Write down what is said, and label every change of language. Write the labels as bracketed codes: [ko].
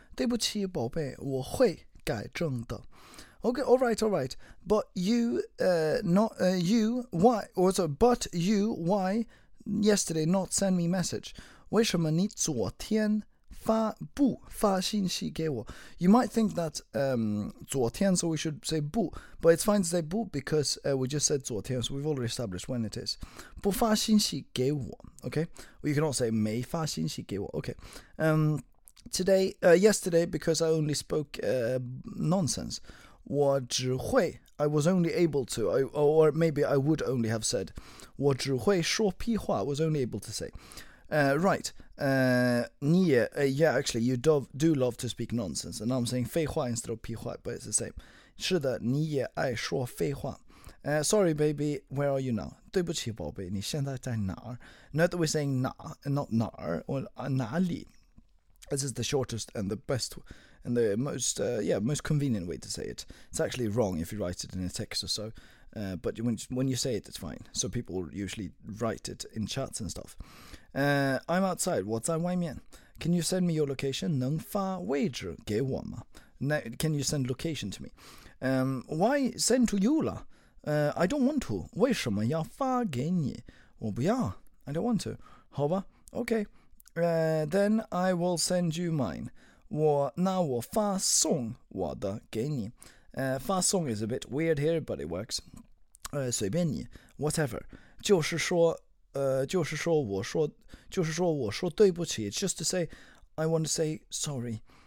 [zh] 对不起，宝贝，我会改正的。 [en] Okay, all right. But you, why yesterday not send me message? [zh] 为什么你昨天不发信息给我? [en] You might think that 昨天, so we should say 不, but it's fine to say 不 because we just said 昨天, so we've already established when it is. [zh] 不发信息给我, okay? [en] Well, you can also say [zh] 没发信息给我, okay. [en] Yesterday, because I only spoke nonsense, 我只会, I was only able to, or maybe I would only have said, [zh] 我只会说屁话, [en] I was only able to say. Actually, you do love to speak nonsense. And now I'm saying 废话 instead of 屁话, but it's the same. [zh] 是的,你也爱说废话。 [en] Sorry, baby, where are you now? [zh] 对不起,宝贝,你现在在哪儿? [en] Not that we're saying 哪, not 哪儿, or 哪里。 This is the shortest and the best, and the most convenient way to say it. It's actually wrong if you write it in a text or so. But when you say it, it's fine. So people usually write it in chats and stuff. I'm outside. [zh] 我在外面. [en] Can you send me your location? [zh] 能发位置给我吗? [en] Can you send location to me? Why send to you 啦?I don't want to. [zh] 为什么要发给你?我不要. [en] I don't want to. [zh] 好吧? [en] Okay. Then I will send you mine. [zh] 我那我发送我的给你。 [en] 发送 is a bit weird here, but it works. [zh] 随便你, whatever. 就是说,就是说我说对不起. [en] It's just to say, I want to say sorry.